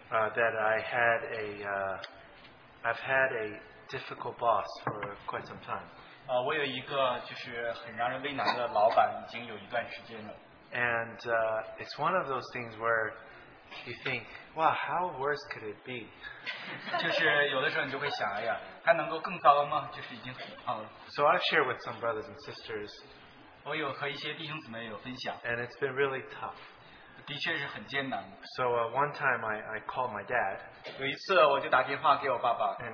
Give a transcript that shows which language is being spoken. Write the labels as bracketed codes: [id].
[en] That I've had a difficult boss for quite some time. [zh] 我有一个就是很让人为难的老板，已经有一段时间了。And [en] it's one of those things where you think, "Wow, how worse could it be?" [zh] 就是有的时候你就会想，哎呀，还能够更糟吗？就是已经很糟了。So [en] I've shared with some brothers and sisters. [zh] 我有和一些弟兄姊妹有分享。And [en] it's been really tough. [zh] 的确是很艰难的。So [en] one time I called my dad. [zh] 有一次我就打电话给我爸爸。And